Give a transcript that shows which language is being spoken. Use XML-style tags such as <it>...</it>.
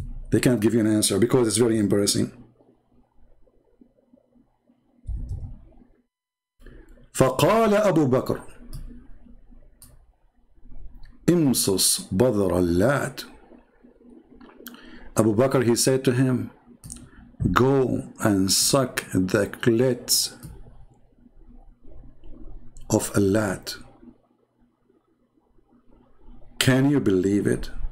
<en>They can't give you an answer because it's very embarrassing.</en> <ar>فقال أبو بكر امصص بذر اللات.</ar> <en>Abu Bakr, he said to him, go and suck the clits of a lad. Can you believe it?</en>